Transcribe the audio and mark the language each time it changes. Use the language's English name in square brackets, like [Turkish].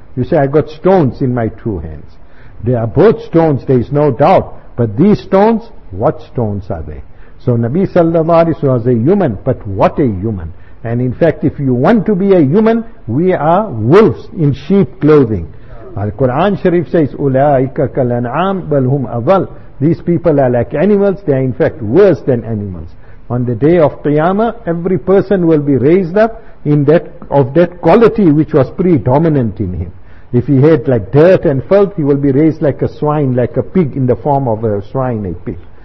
[English] You say, I got stones in my two hands. They are both stones, there is no doubt. But these stones, what stones are they? So Nabi sallallahu alayhi wa sallam was a human, but what a human. And in fact, if you want to be a human, we are wolves in sheep clothing. Al-Quran Sharif says, [Arabic] أُولَٰئِكَ كَالْأَنْعَامِ بَلْ هُمْ أَضَلْ. [English] These people are like animals, they are in fact worse than animals. On the day of Qiyamah, every person will be raised up in that of that quality which was predominant in him. If he had like dirt and filth, he will be raised like a swine, like a pig in the form of a swine, a pig.